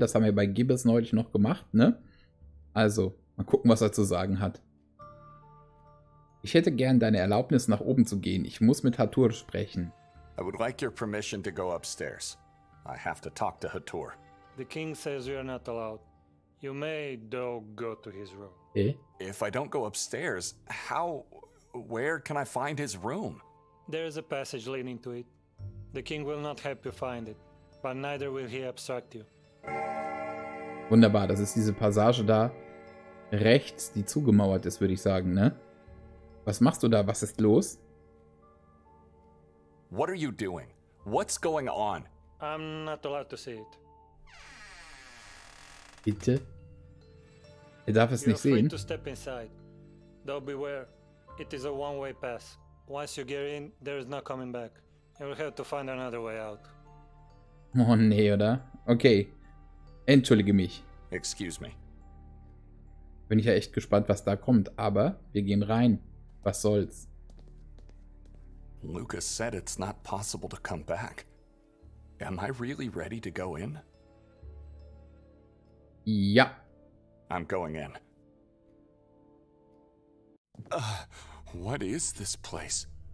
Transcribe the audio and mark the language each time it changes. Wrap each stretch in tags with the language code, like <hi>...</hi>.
<de>Das haben wir bei Gibbes neulich noch gemacht, ne? Also, mal gucken, was er zu sagen hat. Ich hätte gern deine Erlaubnis, nach oben zu gehen. Ich muss mit Hathor sprechen.</de> <en>I would like your permission to go upstairs. I have to talk to Hathor. The king says you are not allowed. You may, though, go to his room. Eh? If I don't go upstairs, how... where can I find his room? There is a passage leading to it. The king will not help you find it, but neither will he obstruct you.</en> <de>Wunderbar, das ist diese Passage da rechts, die zugemauert ist, würde ich sagen, ne? Was machst du da? Was ist los?</de> <en>What are you doing? What's going on? I'm not allowed to see it.</en> <de>Bitte? Er darf es nicht sehen.</de> <en>You're free to step inside. Though beware, it is a one-way pass. Once you get in, there is no coming back. You will have to find another way out.</en> <de>Oh nee, oder? Okay. Entschuldige mich.</de> <en>Excuse me.</en> <de>Bin ich ja echt gespannt, was da kommt, aber wir gehen rein. Was soll's?</de> <en>Lucas said it's not possible to come back. Am I really ready to go in?</en> <de>Ja.</de> <en>I'm going in. What is this place?</en>